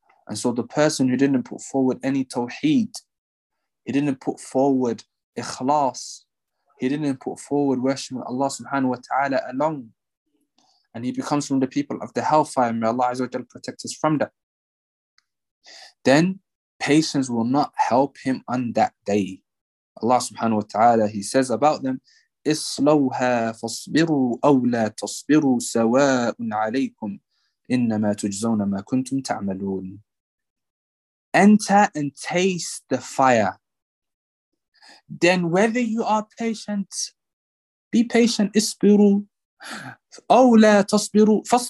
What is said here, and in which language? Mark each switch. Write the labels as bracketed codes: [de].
[en] And so the person who didn't put forward any tawheed, he didn't put forward ikhlas, he didn't put forward worshiping Allah subhanahu wa ta'ala alone, and he becomes from the people of the hellfire, may Allah Azza wa Jalla protect us from that, then patience will not help him on that day. Allah subhanahu wa ta'ala, he says about them, [ar] إِصْلَوْهَا فَاصْبِرُوا أَوْ لَا تَصْبِرُوا سَوَاءٌ عَلَيْكُمْ إِنَّمَا تُجْزَوْنَ مَا كُنْتُمْ تَعْمَلُونَ. [en] Enter and taste the fire. Then whether you are patient, be patient, [ar] إِصْبِرُوا أو لا تصبروا.